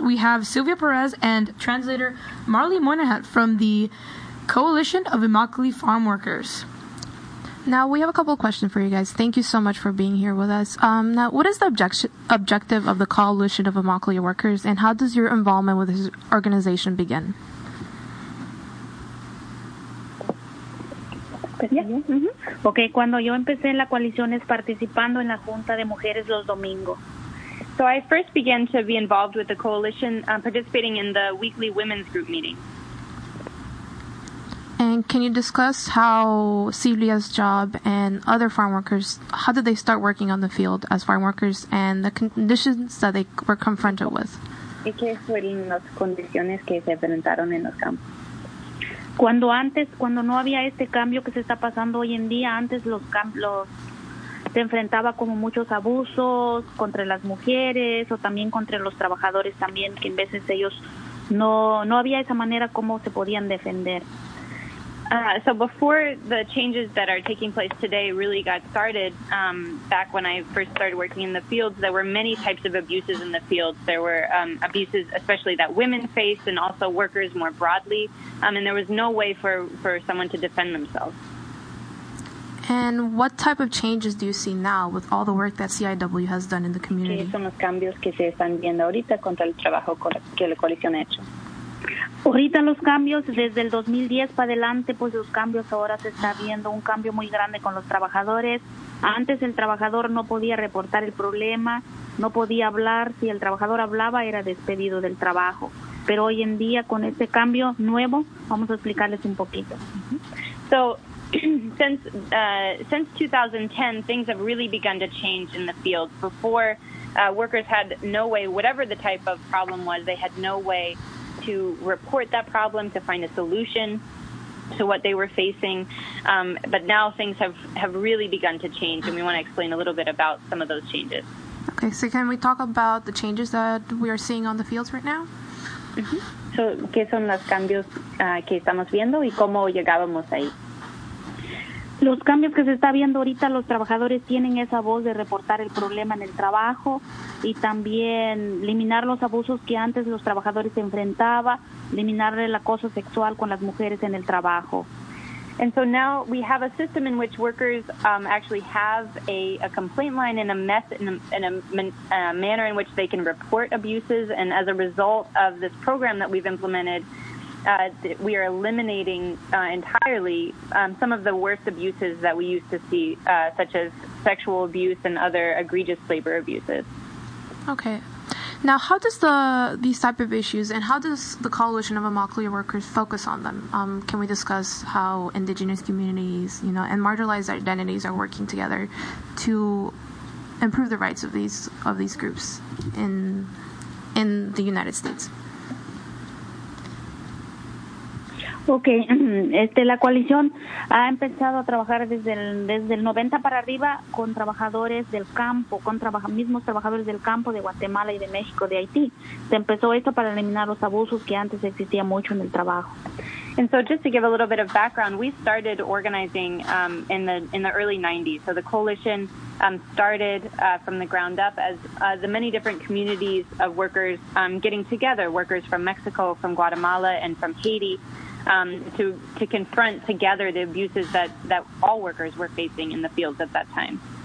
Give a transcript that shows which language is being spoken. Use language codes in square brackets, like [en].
[en] We have Silvia Perez and translator Marley Moynihan from the Coalition of Immokalee Farm Workers. Now, we have a couple of questions for you guys. Thank you so much for being here with us. Now, what is the objective of the Coalition of Immokalee Workers, and how does your involvement with this organization begin? [es] Okay, cuando yo empecé en la coalición es participando en la Junta de Mujeres los domingos. [en] So I first began to be involved with the coalition, participating in the weekly women's group meeting. And can you discuss how Silvia's job and other farm workers, how did they start working on the field as farm workers and the conditions that they were confronted with? [es] ¿Qué fueron las condiciones que se enfrentaron en los campos? Cuando antes, cuando no había este cambio que se está pasando hoy en día, antes los campos se enfrentaba como muchos abusos contra las mujeres o también contra los trabajadores también, que en veces ellos no había esa manera como se podían defender. [en] So before the changes that are taking place today really got started, back when I first started working in the fields, there were many types of abuses in the fields. There were abuses especially that women faced and also workers more broadly, and there was no way for someone to defend themselves. And what type of changes do you see now with all the work that CIW has done in the community? [es] ¿Qué son los cambios que se están viendo ahorita contra el trabajo que la coalición ha hecho? Ahorita los cambios desde el 2010 para adelante, pues los cambios ahora se está viendo un cambio muy grande con los trabajadores. Antes el trabajador no podía reportar el problema, no podía hablar. Si el trabajador hablaba, era despedido del trabajo. Pero hoy en día, con este cambio nuevo, vamos a explicarles un poquito. [en] So, since 2010, things have really begun to change in the field. Before, workers had no way, whatever the type of problem was, they had no way to report that problem, to find a solution to what they were facing. But now things have really begun to change, and we want to explain a little bit about some of those changes. Okay, so can we talk about the changes that we are seeing on the fields right now? Mm-hmm. [es] So, ¿qué son los cambios que estamos viendo y cómo llegábamos ahí? Los cambios que se está viendo ahorita, los trabajadores tienen esa voz de reportar el problema en el trabajo y también eliminar los abusos que antes los trabajadores enfrentaban, eliminar el acoso sexual con las mujeres en el trabajo. [en] And so now we have a system in which workers actually have a complaint line and a method in a manner in which they can report abuses. And as a result of this program that we've implemented, we are eliminating entirely some of the worst abuses that we used to see, such as sexual abuse and other egregious labor abuses. Okay. Now, how does these type of issues and how does the Coalition of Immokalee Workers focus on them? Can we discuss how indigenous communities, you know, and marginalized identities are working together to improve the rights of these groups in the United States? [es] Okay, la coalición ha empezado a trabajar desde el 90 para arriba con trabajadores del campo, con mismos trabajadores del campo de Guatemala y de México, de Haití. Se empezó esto para eliminar los abusos que antes existía mucho en el trabajo. [en] And so just to give a little bit of background, we started organizing in the early 90s. So the coalition started from the ground up as the many different communities of workers getting together, workers from Mexico, from Guatemala, and from Haiti, to confront together the abuses that all workers were facing in the fields at that time.